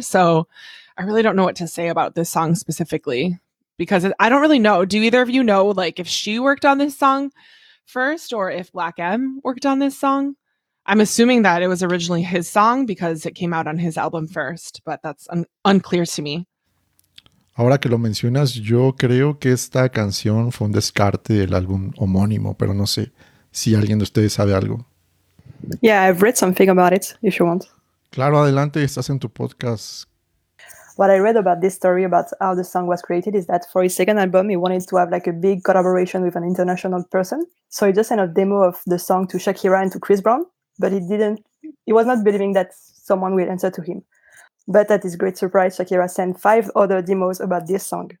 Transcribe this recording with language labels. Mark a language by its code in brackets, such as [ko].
[en] So I really don't know what to say about this song specifically, because I don't really know. Do either of you know like if she worked on this song first or if Black M worked on this song? I'm assuming that it was originally his song because it came out on his album first, but that's unclear to me. [es] Ahora que lo mencionas, yo creo que esta canción fue un descarte del álbum homónimo, pero no sé si alguien de ustedes sabe algo. [en] Yeah, I've read something about it, if you want. [es] Claro, adelante, estás en tu podcast. [en] What I read about this story about how the song was created is that for his second album, he wanted to have like a big collaboration with an international person. So he just sent a demo of the song to Shakira and to Chris Brown, but he was not believing that someone would answer to him. But at his great surprise, Shakira sent 5 other demos about this song.